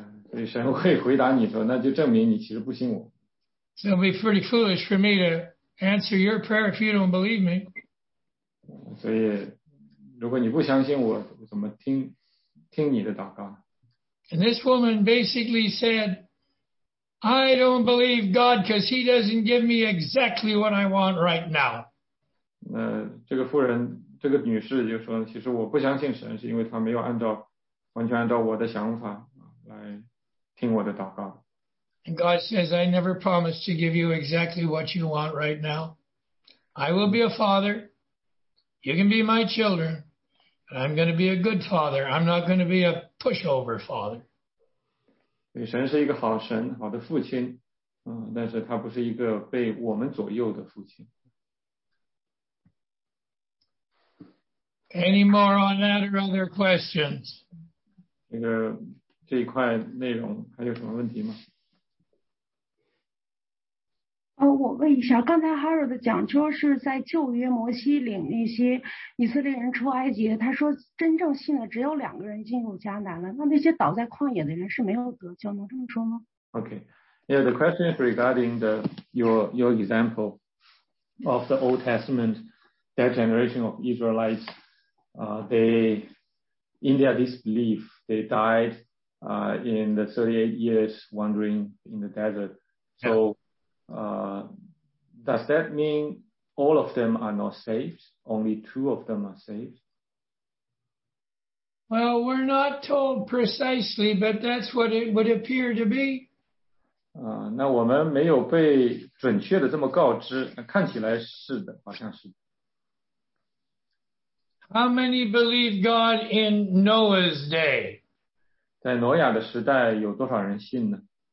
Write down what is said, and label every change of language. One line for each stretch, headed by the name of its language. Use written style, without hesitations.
Chinese: 所以神会回答你说，那就证明你其实不信我。
English: So it'll be pretty foolish for me to answer your prayer if you don't believe me.
Chinese: 所以如果你不相信我，怎么听你的祷告呢？
English: And this woman basically said, I don't believe God because he doesn't give me exactly what I want right now.
Chinese: 那这个妇人这个女士就说，其实我不相信神，是因为她没有完全按照我的想法来听我的祷告。
English: And God says, I never promised to give you exactly what you want right now. I will be a father. You can be my children. And I'm going to be a good father. I'm not going to be a pushover father.
Chinese: 对，神是一个好神，好的父亲，但是他不是一个被我们左右的父亲。
English: Any more on that or other questions?
Chinese: 这一块内容还有什么问题吗？我问一下，刚才 Harold 讲说是在旧约摩西领那些以色列人出埃及，他说真正信的只有两个人进入迦南了，那些倒在旷野的人是没有得救，能这么说吗？
English: Okay, yeah, the question is regarding your example of the Old Testament, that generation of Israelites. They, in their disbelief, they died in the 38 years wandering in the desert. So, does that mean all of them are not saved? Only two of them are saved? Well, we're not told precisely, but that's what it would appear to be.
Chinese: 那我们没有被准确的这么告知，看起来是的，好像是。
English: How many believe God in Noah's day?
Chinese: 在挪亚的时代有多少人信呢？